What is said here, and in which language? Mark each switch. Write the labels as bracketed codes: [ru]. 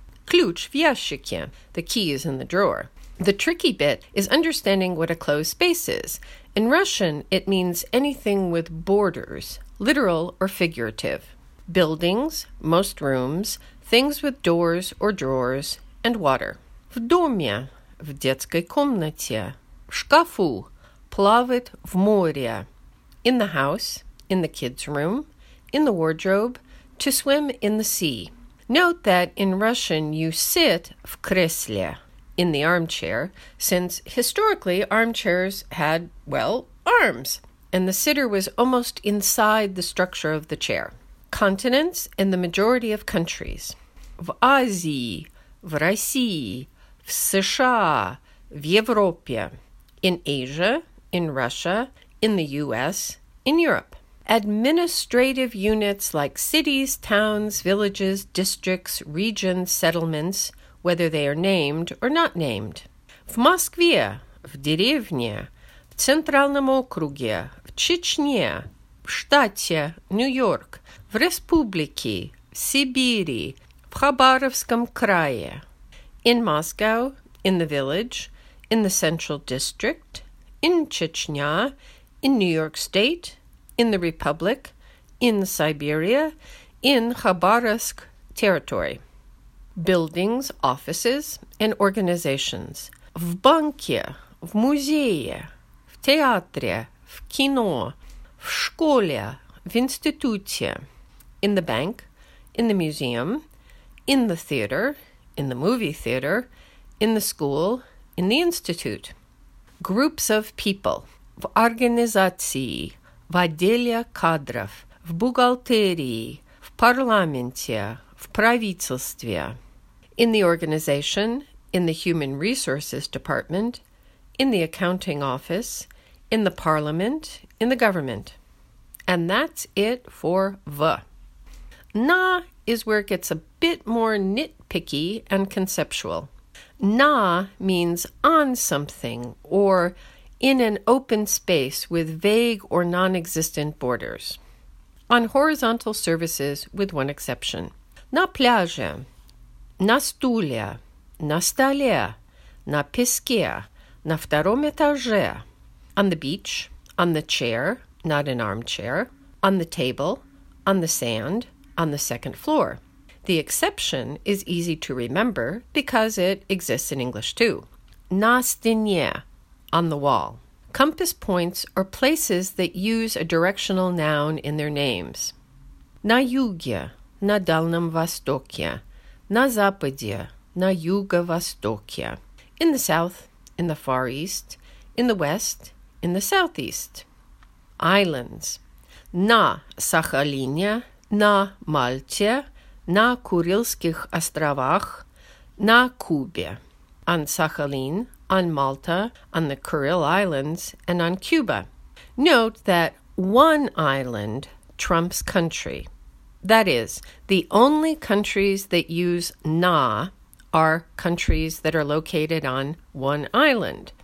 [ru] Ключ в ящике, [en] the key is in the drawer. The tricky bit is understanding what a closed space is. In Russian, it means anything with borders, literal or figurative. Buildings, most rooms, things with doors or drawers, and water. [ru] В доме, в детской комнате, в шкафу, плавает в море. [en] In the house, in the kids' room, in the wardrobe, to swim in the sea. Note that in Russian you sit [ru] в кресле, [en] in the armchair, since historically armchairs had, well, arms, and the sitter was almost inside the structure of the chair. Continents in the majority of countries. [ru] В Азии, в России, в США, в Европе. [en] In Asia, in Russia, in the US, in Europe. Administrative units like cities, towns, villages, districts, regions, settlements, whether they are named or not named. [ru] В Москве, в деревне, в Центральном округе, в Чечне, в штате, Нью-Йорк, в республике, в Сибири, в Хабаровском крае. [en] In Moscow, in the village, in the central district, in Chechnya, in New York State, in the Republic, in Siberia, in Khabarovsk territory. Buildings, offices, and organizations. [ru] В банке, в музее, в театре, в кино, в школе, в институте. [en] In the bank, in the museum, in the theater, in the movie theater, in the school, in the institute. Groups of people. [ru] В организации, в отделе кадров, в бухгалтерии, в парламенте, в правительстве. [en] In the organization, in the human resources department, in the accounting office, in the parliament, in the government. And that's it for V. Na is where it gets a bit more nitpicky and conceptual. Na means on something or in an open space with vague or non-existent borders. On horizontal surfaces, with one exception. [ru] На пляже, на стуле, на столе, на песке, на втором этаже. [en] On the beach, on the chair, not an armchair, on the table, on the sand, on the second floor. The exception is easy to remember because it exists in English too. [ru] На стене, [en] on the wall. Compass points are places that use a directional noun in their names. [ru] На юге, на дальнем востоке, на западе, на юго-востоке. [en] In the south, in the far east, in the west, in the southeast. Islands. [ru] На Сахалине, на Мальте, на Курильских островах, на Кубе. [en] On Sakhalin, on Malta, on the Kuril Islands, and on Cuba. Note that one island trumps country. That is, the only countries that use na are countries that are located on one island.